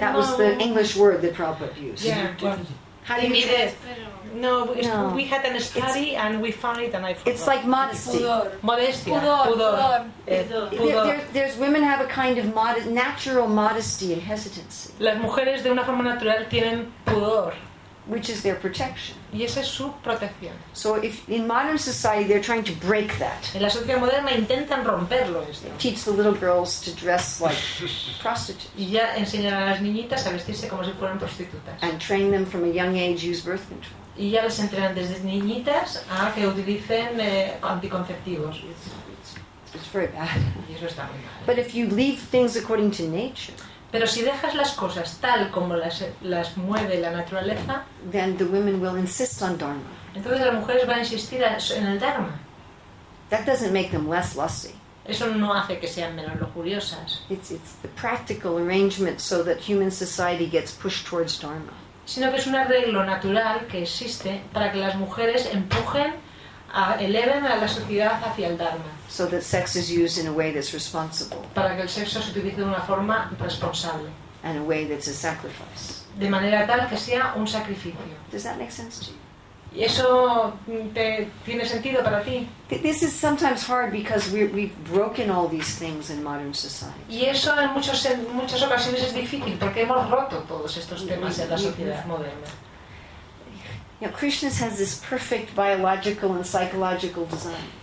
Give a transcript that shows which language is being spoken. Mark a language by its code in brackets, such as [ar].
[en] That was the English word that Prabhupada used. Yeah. How do you say it? No, we had an study and we found it and I forgot. It's like modesty. [es] Modestia. Pudor. [en] There's women have a kind of natural modesty and hesitancy. [es] Las mujeres de una forma natural tienen pudor. [en] Which is their protection. [es] Y esa es su protección. [en] So if in modern society they're trying to break that. [es] En la sociedad moderna intentan romperlo esto. [en] Teach the little girls to dress like prostitutes. [es] Y ya enseñar a las niñitas a vestirse como si fueran prostitutas. [en] And train them from a young age use birth control. [es] Y ya las entrenan desde niñitas a que utilicen anticonceptivos. [en] It's very bad. [es] Y eso está muy mal. [en] But if you leave things according to nature. [es] Pero si dejas las cosas tal como las mueve la naturaleza, [en] then the women will insist on Dharma. [es] Entonces las mujeres van a insistir en el Dharma. [en] That doesn't make them less lusty. [es] Eso no hace que sean menos lujuriosas. [en] It's the practical arrangement so that human society gets pushed towards Dharma. [es] sino que es un arreglo natural que existe para que las mujeres empujen a eleven a la sociedad hacia el Dharma. [en] So that sex is used in a way that's responsible. [es] Para que el sexo se utilice de una forma responsable. [en] And a way that's a sacrifice. [es] De manera tal que sea un sacrificio. [en] Does that make sense to you? [es] ¿Y eso te tiene sentido para ti? [en] This is sometimes hard because we've broken all these things in modern society. [es] Y eso en muchas ocasiones es difícil porque hemos roto todos estos temas en la sociedad moderna. [en] You know, Krishna has this perfect biological and psychological design.